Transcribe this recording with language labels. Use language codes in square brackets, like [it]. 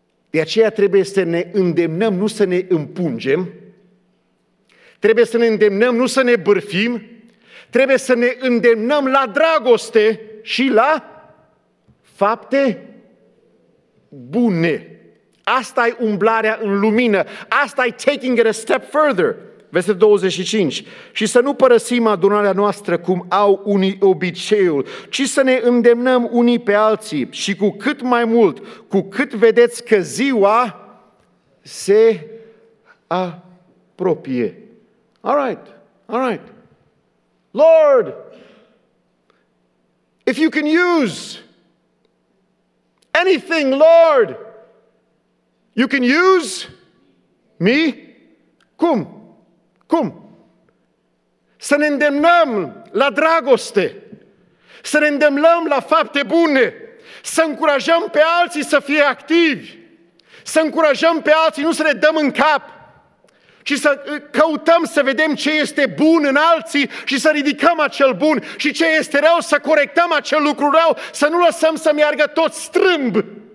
[ro] De aceea trebuie să ne îndemnăm, nu să ne împungem. Trebuie să ne îndemnăm, nu să ne bârfim. Trebuie să ne îndemnăm la dragoste și la fapte bune. Asta e umblarea în lumină. [en] Asta e taking it a step further. [ro] Versetul 25. Și să nu părăsim adunarea noastră cum au unii obiceiul, ci să ne îndemnăm unii pe alții și cu cât mai mult, cu cât vedeți că ziua se apropie. [en] All right, all right. Lord, if you can use anything, Lord, you can use [ro] Mii? Cum? Cum? Să ne îndemnăm la dragoste, să ne îndemnăm la fapte bune, să încurajăm pe alții să fie activi, să încurajăm pe alții, nu să le dăm în cap, ci să căutăm să vedem ce este bun în alții și să ridicăm acel bun și ce este rău, să corectăm acel lucru rău, să nu lăsăm să meargă tot strâmb.